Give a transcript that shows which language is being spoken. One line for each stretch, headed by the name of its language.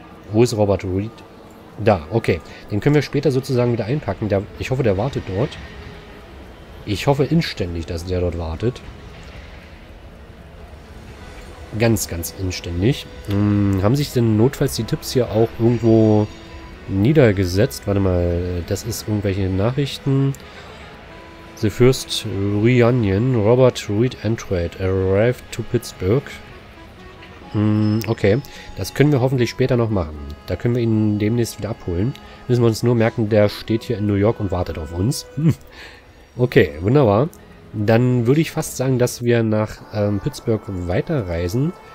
German: Wo ist Robert Reed? Da, okay. Den können wir später sozusagen wieder einpacken. Ich hoffe, der wartet dort. Ich hoffe inständig, dass der dort wartet. Ganz, ganz inständig. Haben sich denn notfalls die Tipps hier auch irgendwo niedergesetzt? Warte mal, das ist irgendwelche Nachrichten.
English: The First Reunion, Robert Reed Entred, arrived to Pittsburgh.
German: Okay, das können wir hoffentlich später noch machen. Da können wir ihn demnächst wieder abholen. Müssen wir uns nur merken, der steht hier in New York und wartet auf uns. Okay, wunderbar. Dann würde ich fast sagen, dass wir nach Pittsburgh weiterreisen.